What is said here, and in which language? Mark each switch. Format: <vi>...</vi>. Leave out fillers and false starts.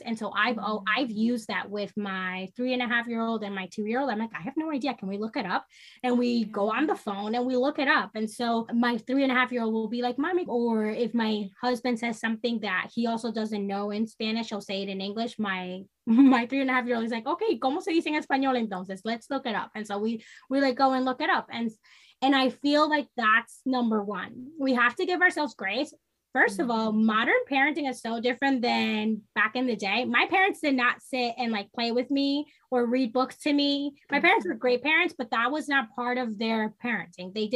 <en>And so I've used that with my 3.5-year-old and my 2-year-old. I'm like, I have no idea. Can we look it up? And we go on the phone and we look it up. And so my 3.5-year-old will be like, mommy, or if my husband says something that he also doesn't know in Spanish, he'll say it in English. My 3.5-year-old is like, okay,</en> <es>¿cómo se dice en español entonces?</es> <en>Let's look it up. And so we like go and look it up. And I feel like that's number one. We have to give ourselves grace. First of all, modern parenting is so different than back in the day. My parents did not sit and like play with me or read books to me. My parents were great parents, but that was not part of their parenting.</en>